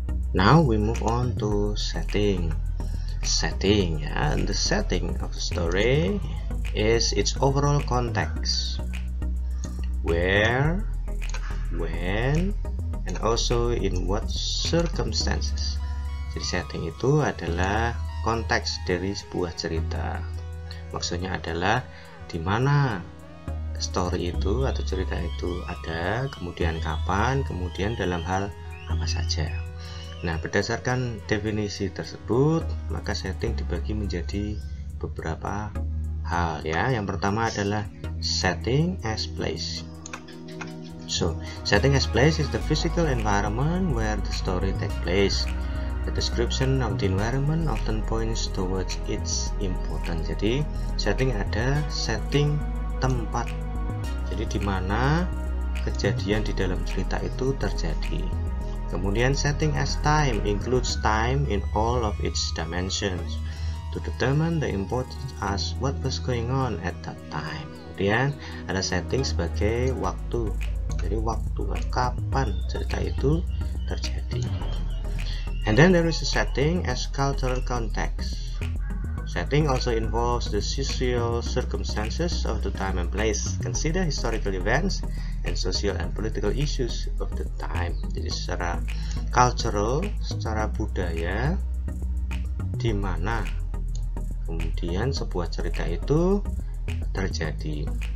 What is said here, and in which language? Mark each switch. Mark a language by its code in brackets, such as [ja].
[en] Now we move on to setting. Setting, and the setting of the story is its overall context, where, when, and also in what circumstances. [id] Jadi setting itu adalah konteks dari sebuah cerita. Maksudnya adalah di mana story itu atau cerita itu ada, kemudian kapan, kemudian dalam hal apa saja. Nah, berdasarkan definisi tersebut, maka setting dibagi menjadi beberapa hal ya. Yang pertama adalah [en] setting as place. So, setting as place is the physical environment where the story takes place. The description of the environment often points towards its importance. [id] Jadi, setting ada setting tempat. Jadi, di mana kejadian di dalam cerita itu terjadi. [en] Kemudian setting as time includes time in all of its dimensions to determine the importance as what was going on at that time. [id] Kemudian ada setting sebagai waktu. Jadi waktu kapan cerita itu terjadi. [en] And then there is a setting as cultural context. Setting also involves the social circumstances of the time and place. Consider historical events and social and political issues of the time. [id] Jadi secara cultural, secara budaya, di mana kemudian sebuah cerita itu terjadi.